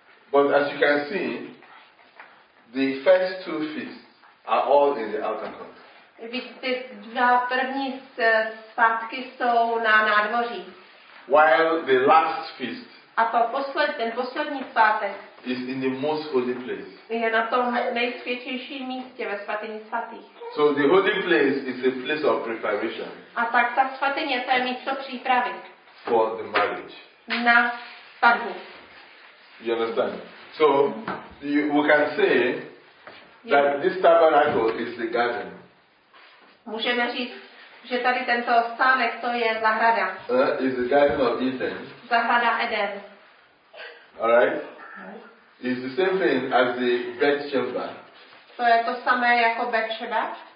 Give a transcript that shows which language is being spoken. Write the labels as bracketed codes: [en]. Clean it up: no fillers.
[en] But as you can see, the first two feasts are all in the outer court. [cs] Ty dva první svátky jsou na nádvoří. [en] While the last feast. [cs] A to ten poslední svátek. [en] Is in the most holy place. [cs] Je na tom nejsvětějším místě ve svatyni svatých. [en] So the holy place is a place of preparation. [cs] A tak ta svatyně, to je místo přípravy. [en] For the marriage. [cs] Na svatbu. [en] You understand? So we can say that this tabernacle is the garden. [cs] Můžeme říct, že tady tento stánek, to je zahrada. [en] Is the garden of Eden. [cs] Zahrada Eden. [en] Alright? It's the same thing as the Bet-Sheba. [cs] To je to samé jako Bet-Sheba.